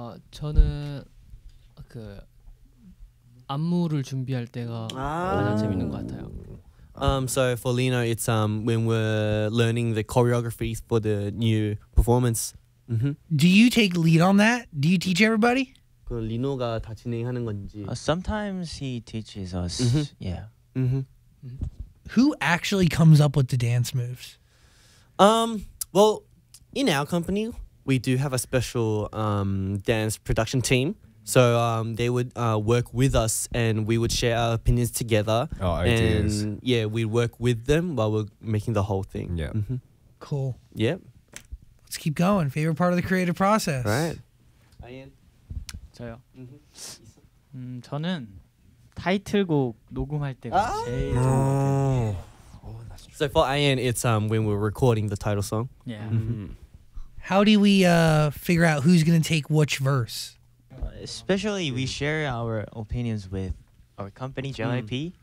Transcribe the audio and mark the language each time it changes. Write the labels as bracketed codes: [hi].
[ko] 저는 안무를 준비할 때가 가장 재밌는 것 같아요. [en] So for Lino, it's when we're learning the choreography for the new performance. Mm-hmm. Do you take lead on that? Do you teach everybody? [ko] 그 리노가 다 진행하는 건지. [en] Sometimes he teaches us. Mm-hmm. Yeah. Mm-hmm. Who actually comes up with the dance moves? Well, in our company, we do have a special dance production team. So they would work with us, and we would share our opinions together. Oh, ideas. And yeah, we'd work with them while we're making the whole thing. Yeah. Mm-hmm. Cool. Yep. Let's keep going. Favorite part of the creative process. Right. Ian. [ko] 저요. 저는 타이틀곡 녹음할 때가 제일 [en] So for Ian, it's when we're recording the title song. Yeah. Mm-hmm. How do we figure out who's gonna take which verse? Especially, we share our opinions with our company, JYP.